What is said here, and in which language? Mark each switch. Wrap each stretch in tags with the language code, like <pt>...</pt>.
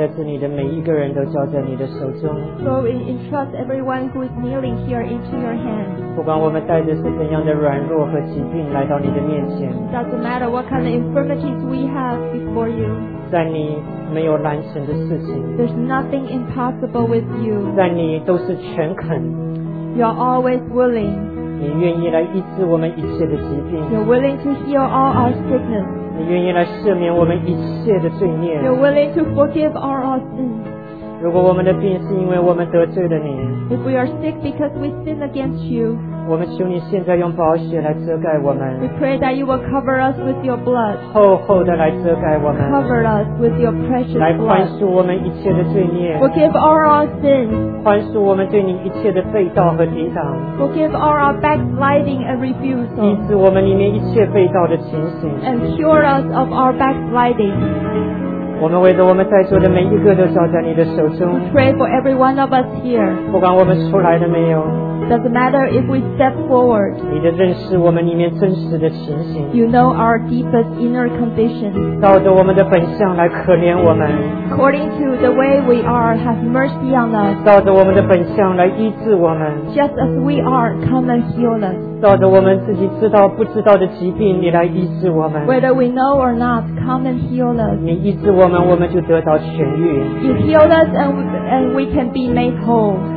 <en>So we entrust everyone who is kneeling here into your hands.</en> <zh>不管我们带着是怎样的软弱和疾病来到你的面前。</zh> <en>Doesn't matter what kind of infirmities we have before you.</en> <zh>在你没有难成的事情。</zh> <en>There's nothing impossible with you.</en> <zh>在你都是全肯。</zh> <en>You're always willing.</en> <zh>你愿意来医治我们一切的疾病。</zh> <en>You're willing to heal all our sickness.</en> <zh>你愿意来赦免我们一切的罪孽。</zh> <en>You're willing to forgive our sins.</en> <zh>如果我们的病是因为我们得罪了你。</zh> <en>If we are sick because we sin against you.</en> <zh>我们求你现在用宝血来遮盖我们。</zh> <en>We pray that you will cover us with your blood.</en> <zh>厚厚的来遮盖我们。</zh> <en>Cover us with your precious blood.</en> <zh>来宽恕我们一切的罪孽。</zh> <en>Forgive our sins.</en> <zh>宽恕我们对你一切的背道和抵挡。</zh> <en>Forgive our backsliding and refusal.</en> <zh>医治我们里面一切背道的情形。</zh> <en>And cure us of our backsliding.</en> <zh>我们为着我们在座的每一个都交在你的手中。</zh> <en>We pray for every one of us here.</en> <zh>不管我们出来了没有。</zh> <en>Doesn't matter if we step forward.</en> <zh>你的认识我们里面真实的情形。</zh> <en>You know our deepest inner condition.</en> <zh>照着我们的本相来可怜我们。</zh> <en>According to the way we are, have mercy on us.</en> <zh>照着我们的本相来医治我们。</zh> <en>Just as we are, come and heal us.</en> <zh>照着我们自己知道不知道的疾病，你来医治我们。</zh> <en>Whether we know or not, come and heal us.</en> <zh>你医治我们，我们就得到痊愈。</zh> <en>You heal us, and we can be made whole.</en>